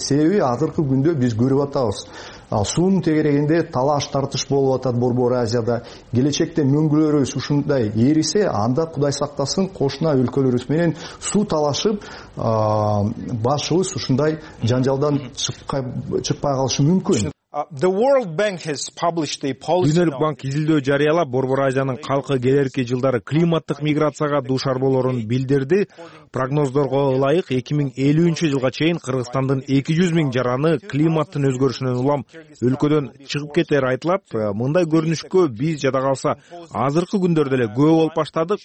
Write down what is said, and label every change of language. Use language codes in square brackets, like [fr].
[ky] Себеби азыркы күндө биз көрүп атабыз. Суунун тегерегинде талаш тартыш болуп атат Борбор Азияда. Келечекте мөңгүлөрүбүз ушундай ээрисе, анда Кудай сактасын кошуна өлкөлөрүбүз менен суу талашып башыбыз ушундай жанжалдан чыкпай калышы мүмкүн. [en] The World Bank has published a policy. [ky] Дүйнөлүк банк изилдөө жарыялап, Борбор Азиянын калкы келерки жылдары климаттык миграцияга дуушар болорун билдирди. Прогноздорго ылайык, 2050-жылга чейин Кыргызстандын 200,000 жараны климаттын өзгөрүшүнөн улам өлкөдөн чыгып кетери айтылат. Мындай көрүнүшкө биз жада калса, азыркы күндөрдө эле күбө болуп баштадык.